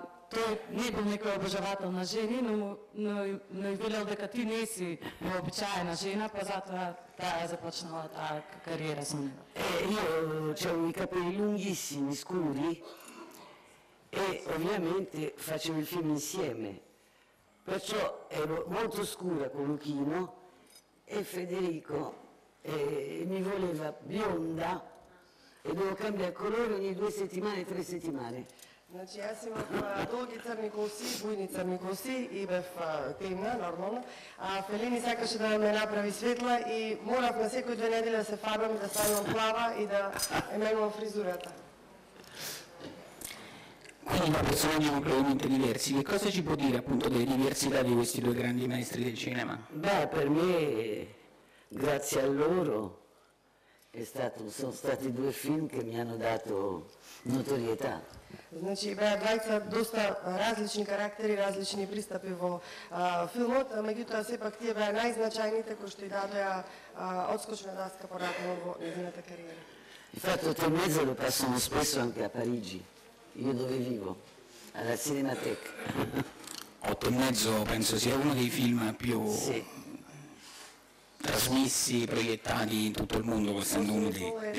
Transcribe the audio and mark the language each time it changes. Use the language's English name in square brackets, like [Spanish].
[Macedonian] Той не бил некој обожавател на жени, но и велел дека ти не си обичаена жена, па затоа таа започнала таа кариера со него. [Italian] Io c'avevo i capelli lunghissimi, scuri, e ovviamente facevo il film insieme. Perciò ero molto scura con Luchino e Federico mi voleva bionda e dovevo cambiare colore ogni 2 settimane, 3 settimane. [Macedonian] Значи јас имав долги црни коси, бујни црни коси и бев темна, нормално. А Фелини сакаше да ме направи светла и морав на секој 2 недели да се фарбам и да ставам плава и да менувам фризурата. [Italian] Quindi una persona di completamente diversi, che cosa ci può dire appunto delle diversità di questi due grandi maestri del cinema? Beh, per me, grazie a loro, sono stati 2 film che mi hanno dato notorietà. [Macedonian] Значи беа двајца доста различни карактери, различни пристапи во филмот, меѓутоа сепак тие беа најзначајните кои што ѝ дадоа одскочна даска порадно во нејзината кариера. [Italian] Il fatto che mezzo lo passano spesso anche a Parigi, io dove vivo, alla Cinémathèque. 8 e mezzo penso sia uno dei film più trasmessi, proiettati in tutto il mondo, essendo uno dei